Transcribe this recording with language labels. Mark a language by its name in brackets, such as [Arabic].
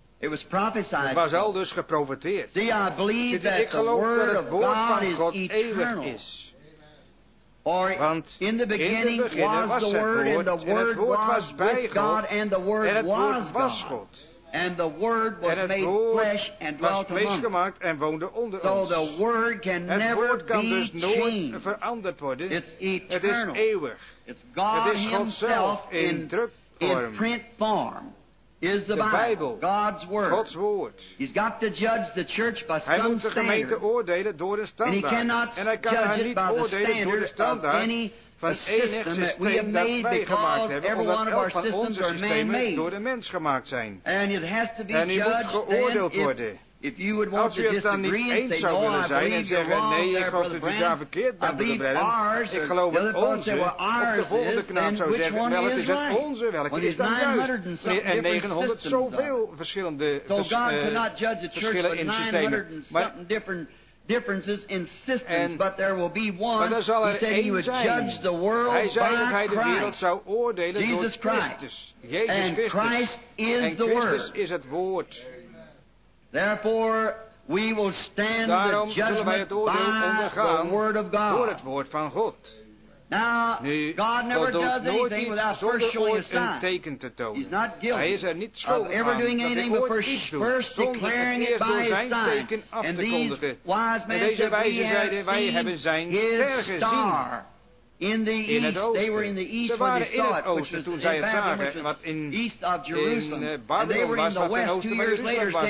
[Dutch] Het was al dus geprofeteerd. Ik geloof dat het woord van God eeuwig is. Want in het begin was het woord en het woord was bij God en het woord was God. [English] And the word was made flesh and dwelt among. [Dutch] Was vlees gemaakt en woonde onder ons. [English] So the word can never be changed. [Dutch] Het woord kan dus nooit veranderd worden. [English] It's eternal. [Dutch] Het is eeuwig. [English] It's God [Dutch] het is God zelf in drukvorm. [English] In print form is the Bible. [Dutch] De Bijbel. [English] God's word. [Dutch] Gods woord. [English] He's got to judge the church by some [Dutch] hij moet de gemeente oordelen door een standaard. [English] And he cannot [Dutch] en hij kan haar niet oordelen door de standaard [English] of any [Dutch] van enig systeem dat wij gemaakt hebben, omdat elk van onze systemen door de mens gemaakt zijn. En die moet geoordeeld worden. [English] If you would want [Dutch] als u het dan niet eens zou willen zijn en zeggen, nee, ik geloof dat u daar verkeerd bent, Brother Branham. Ik geloof het onze. Of de volgende knaap zou zeggen, wel, het is het onze. Welke is dan juist? En 900 zoveel verschillende verschillen in systemen. [English] Maar differences in systems, and, but there will be one. He said he would judge the world by Christ. [Dutch] Hij de wereld zou oordelen [English] Jesus [Dutch] door Christus. Jezus Christus. En Christus is het woord. [English] Therefore, we will stand [Dutch] daarom [English] the [Dutch] zullen wij het oordeel ondergaan [English] word of God. [Dutch] Door het woord van God. [English] Now, [Dutch] nu, [English] God never does anything without first showing a sign. He's not guilty. [Dutch] Hij is er niet schuldig aan [English] ever doing anything [Dutch] dat ooit iets doe, [English] first declaring [Dutch] het eerst door [English] it by [Dutch] zijn teken af te kondigen. En deze wijze zeiden, wij hebben zijn ster gezien. [English] In, the east. [Dutch] In het oosten. [English] They were in the east [Dutch] ze waren in het oosten [English] it, [Dutch] toen zij het zagen, wat in Babylon was, wat in oosten bij Jeruzalem was.